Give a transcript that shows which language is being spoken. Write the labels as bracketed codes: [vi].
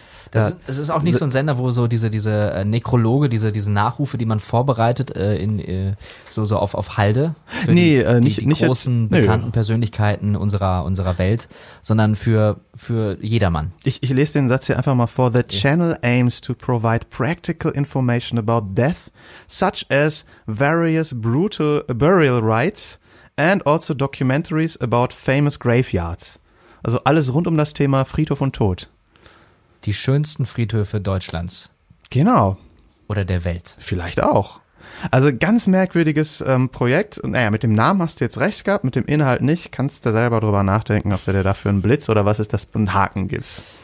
[de] Es ist auch nicht so ein Sender, wo so diese Nekrologe, diese Nachrufe, die man vorbereitet auf Halde für bekannten Persönlichkeiten unserer Welt, sondern für jedermann. Ich lese den Satz hier einfach mal vor. [en] The channel aims to provide practical information about death, such as various brutal burial rites and also documentaries about famous graveyards. [de] Also alles rund um das Thema Friedhof und Tod. Die schönsten Friedhöfe Deutschlands. Genau. Oder der Welt. Vielleicht auch. Also ganz merkwürdiges Projekt. Naja, mit dem Namen hast du jetzt recht gehabt, mit dem Inhalt nicht. Kannst du selber drüber nachdenken, ob du dir dafür einen Blitz oder was ist das für einen Haken gibst.